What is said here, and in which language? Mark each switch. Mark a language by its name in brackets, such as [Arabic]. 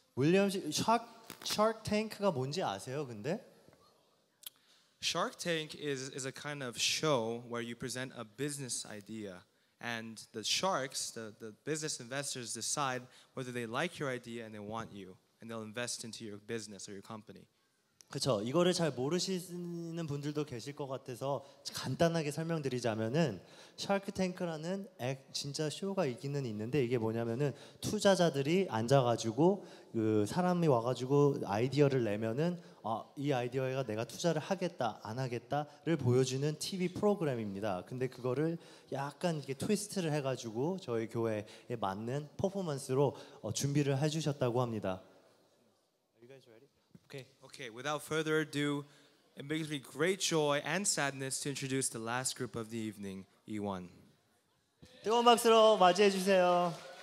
[Korean] William, Shark Tank가 뭔지 아세요, 근데? [English] Shark Tank is a kind of show where you present a business idea. And the sharks, the business investors, decide whether they like your idea and they want you. And they'll invest into your business or your company. [Korean] 그렇죠. 이거를 잘 모르시는 분들도 계실 것 같아서 간단하게 설명드리자면은 Shark Tank라는 진짜 쇼가 있기는 있는데 이게 뭐냐면은 투자자들이 앉아가지고 그 사람이 와가지고 아이디어를 내면은 이 아이디어에가 내가 투자를 하겠다 안 하겠다를 보여주는 TV 프로그램입니다. 근데 그거를 약간 이렇게 트위스트를 해가지고 저희 교회에 맞는 퍼포먼스로 준비를 해주셨다고 합니다. [English] Okay, without further ado, it brings me great joy and sadness to introduce the last group of the evening, E1. [Korean] 뜨거운 박수로 맞이해 주세요.